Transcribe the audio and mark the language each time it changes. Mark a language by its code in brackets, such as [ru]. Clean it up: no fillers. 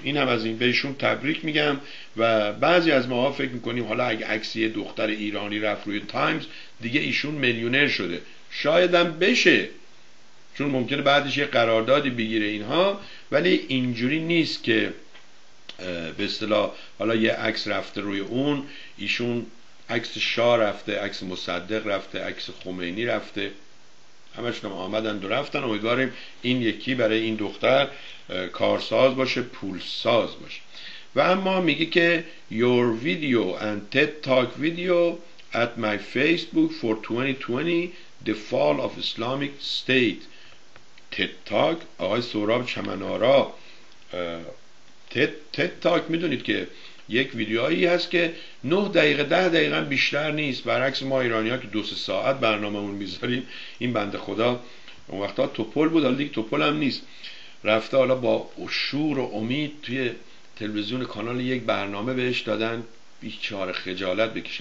[fa] این هم از این بهشون تبریک میگم. و بعضی از ماها فکر میکنیم حالا اگه عکسی دختر ایرانی رفت روی تایمز دیگه ایشون میلیونر شده، شاید هم بشه چون ممکنه بعدش یه قراردادی بگیره اینها، ولی اینجوری نیست که به اصطلاح حالا یه عکس رفته روی اون، ایشون عکس شاه رفته، عکس مصدق رفته، عکس خمینی رفته، همشون هم آمدن و رفتن. امیدواریم این یکی برای این دختر کارساز باشه، پولساز باشه. و اما میگه که [en] your video and TED talk video at my Facebook for 2020 the fall of Islamic state. [fa] TED talk آقای سهراب چمنارا، TED talk میدونید که یک ویدیوایی هست که 9 دقیقه 10 دقیقه بیشتر نیست، برعکس ما ایرانی ها که 2 3 ساعت برنامه‌مون می‌ذاریم. این بنده خدا اون وقتا توپل بود، حالا دیگه توپل هم نیست، رفته حالا با شور و امید توی تلویزیون کانال یک برنامه بهش دادن، بیچاره خجالت بکش.